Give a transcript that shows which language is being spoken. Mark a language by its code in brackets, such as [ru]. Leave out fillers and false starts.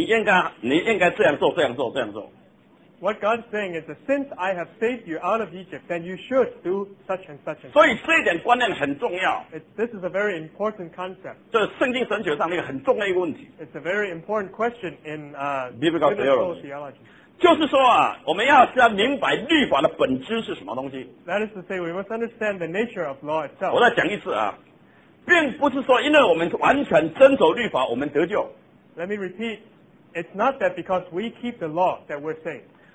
[zh] 那神把他们拯救出来以后，神说：“我既然的拯救了你，所以啊，你应该这样做，这样做，这样做。” [en] What God is saying is that since I have saved you out of Egypt, then you should do such and such. [zh] 所以这一点观念很重要。 [en] This is a very important concept. [zh] 这是圣经神学上那个很重要的一个问题。 [en] It's a very important question in biblical theology. [zh] 就是说啊，我们要先明白律法的本质是什么东西。 [en] That is to say, we must understand the nature of law itself. [zh] 我再讲一次啊，并不是说因为我们完全遵守律法，我们得救。 [en] Let me repeat, it's not that because we keep the law that we're saved.